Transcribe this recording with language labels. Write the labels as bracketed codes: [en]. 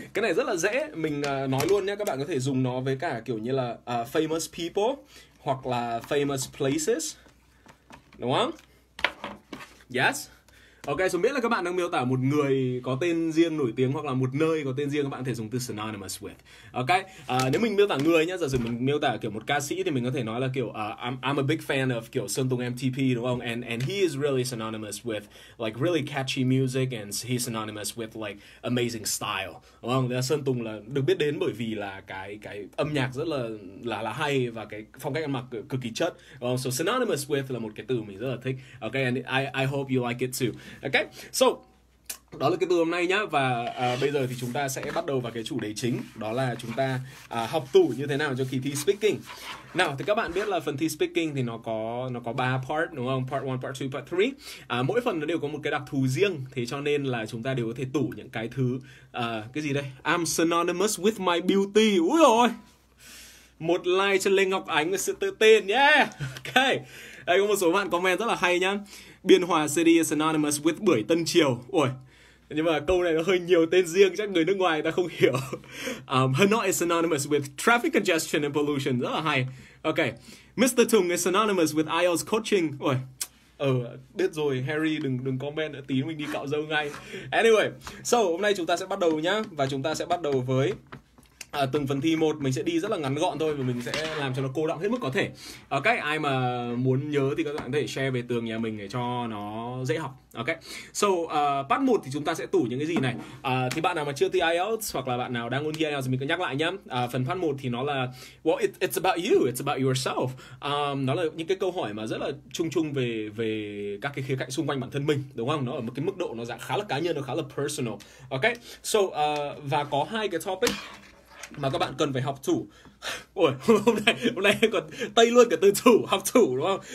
[vi] Cái này rất là dễ, mình nói luôn nhé. Các bạn có thể dùng nó với cả kiểu như là famous people hoặc là famous places, đúng không? Yes. Ok, so miễn là các bạn đang miêu tả một người có tên riêng nổi tiếng hoặc là một nơi có tên riêng, các bạn có thể dùng từ synonymous with. Ok, nếu mình miêu tả người nhá, giả sử mình miêu tả kiểu một ca sĩ thì mình có thể nói là kiểu [en] I'm a big fan of [vi] kiểu Sơn Tùng MTP đúng không? [en] And he is really synonymous with like really catchy music and he's synonymous with like amazing style. [vi] Đúng không? Là Sơn Tùng là được biết đến bởi vì là cái âm nhạc rất là hay và cái phong cách ăn mặc cực kỳ chất. Đúng không? So synonymous with là một cái từ mình rất là thích. [en] Ok, and I hope you like it too. [vi] Ok, so đó là cái từ hôm nay nhá. Và bây giờ thì chúng ta sẽ bắt đầu vào cái chủ đề chính. Đó là chúng ta học tủ như thế nào cho kỳ thi speaking. Nào, thì các bạn biết là phần thi speaking thì nó có 3 part đúng không? Part 1, part 2, part 3. Mỗi phần nó đều có một cái đặc thù riêng. Thế cho nên là chúng ta đều có thể tủ những cái thứ cái gì đây? [en] I'm synonymous with my beauty. [vi] Úi dồi, một like cho Lê Ngọc Ánh với sự tự tin nhé. Ok, đây có một số bạn comment rất là hay nhá. [en] Biên Hòa City is synonymous with Bưởi Tân Triều. [vi] Ui, nhưng mà câu này nó hơi nhiều tên riêng, chắc người nước ngoài ta không hiểu. [en] Hanoi is synonymous with traffic congestion and pollution. [vi] Rất là hay. [en] Ok, Mr. Tung is synonymous with IELTS coaching. [vi] Ui, biết rồi, Harry đừng comment nữa, tí mình đi cạo râu ngay. Anyway, so hôm nay chúng ta sẽ bắt đầu nhá. Và chúng ta sẽ bắt đầu với từng phần thi một, mình sẽ đi rất là ngắn gọn thôi và mình sẽ làm cho nó cô đọng hết mức có thể. Ok, ai mà muốn nhớ thì các bạn có thể share về tường nhà mình để cho nó dễ học. Ok, so part 1 thì chúng ta sẽ tủ những cái gì này. Thì bạn nào mà chưa thi IELTS hoặc là bạn nào đang muốn thi IELTS thì mình cứ nhắc lại nhá. Phần part 1 thì nó là [en] well, it's about you, it's about yourself. [vi] Nó là những cái câu hỏi mà rất là chung chung về về các cái khía cạnh xung quanh bản thân mình, đúng không? Nó ở một cái mức độ nó dạng khá là cá nhân, nó khá là personal. Ok, so và có hai cái topic mà các bạn cần phải học thủ. Ôi, hôm nay còn tây luôn cả từ thủ, học thủ đúng không?